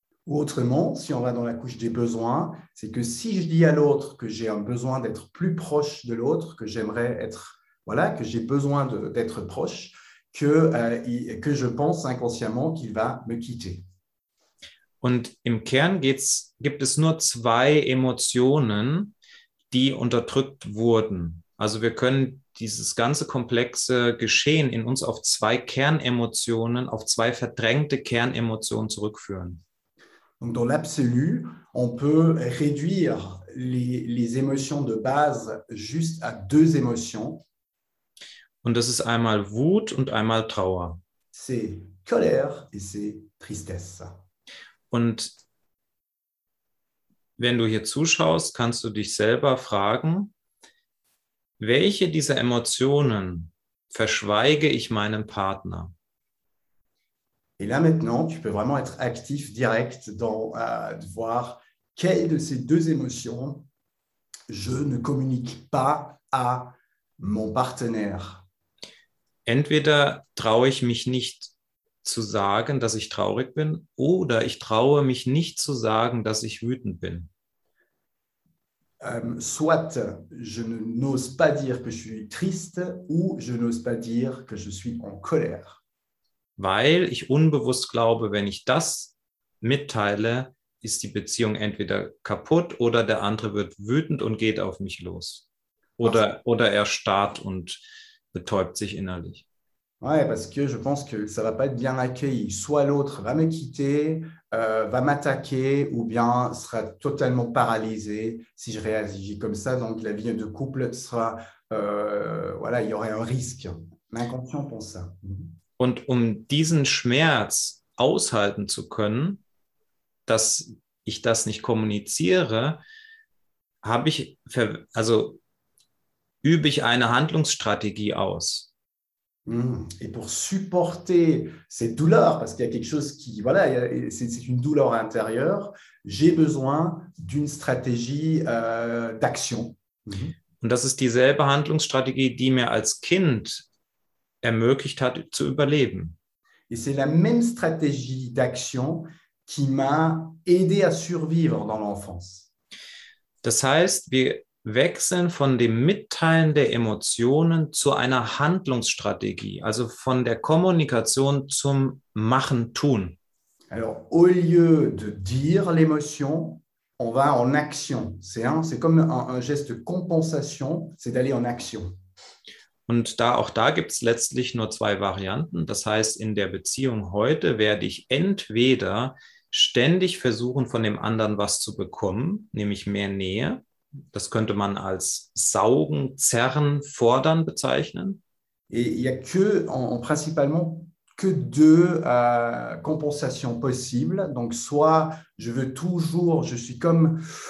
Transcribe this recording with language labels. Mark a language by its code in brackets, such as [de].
[fr] Ou autrement, si on va dans la couche des besoins, c'est que si je dis à l'autre que j'ai un besoin d'être plus proche de l'autre, que j'aimerais être, voilà, que j'ai besoin d'être proche, que je pense inconsciemment qu'il va me quitter. [de] Und im Kern gibt es nur zwei Emotionen, die unterdrückt wurden. Also wir können dieses ganze komplexe Geschehen in uns auf zwei Kernemotionen, auf zwei verdrängte Kernemotionen zurückführen. [fr] Donc dans l'absolu, on peut réduire les émotions de base juste à deux émotions. [de] Und das ist einmal Wut und einmal Trauer. [fr] C'est colère et c'est tristesse. [de] Und wenn du hier zuschaust, kannst du dich selber fragen, welche dieser Emotionen verschweige ich meinem Partner? [fr] Et là maintenant, tu peux vraiment être actif direct de voir quelle de ces deux émotions je ne communique pas à mon partenaire. [de] Entweder traue ich mich nicht zu sagen, dass ich traurig bin, oder ich traue mich nicht zu sagen, dass ich wütend bin. [fr] Soit je n'ose pas dire que je suis triste ou je n'ose pas dire que je suis en colère. [de] Weil ich unbewusst glaube, wenn ich das mitteile, ist die Beziehung entweder kaputt oder der andere wird wütend und geht auf mich los. Oder er starrt und betäubt sich innerlich. [fr] Ouais, parce que je pense que ça va pas être bien accueilli. Soit l'autre va me quitter, va m'attaquer, ou bien sera totalement paralysé si je réagis comme ça. Donc la vie de couple sera, voilà, il y aurait un risque. L'inconscient pense ça. [de] Und um diesen Schmerz aushalten zu können, dass ich das nicht kommuniziere, habe ich, also übe ich eine Handlungsstrategie aus. [fr] Et pour supporter cette douleur, parce qu'il y a quelque chose qui, voilà, c'est une douleur intérieure, j'ai besoin d'une stratégie d'action. [de] Und das ist dieselbe Handlungsstrategie, die mir als Kind ermöglicht hat, zu überleben. [fr] Et c'est la même stratégie d'action qui m'a aidé à survivre dans l'enfance. [de] Das heißt, wir wechseln von dem Mitteilen der Emotionen zu einer Handlungsstrategie, also von der Kommunikation zum Machen-Tun. [fr] Alors, au lieu de dire l'émotion, on va en action. C'est comme un geste de compensation, c'est d'aller en action. [de] Und da auch da gibt es letztlich nur zwei Varianten. Das heißt, in der Beziehung heute werde ich entweder ständig versuchen, von dem anderen was zu bekommen, nämlich mehr Nähe. Das könnte man als saugen, zerren, fordern bezeichnen. [fr] Et il y a que en principalement que deux compensations possibles. Donc, soit je veux toujours, je suis comme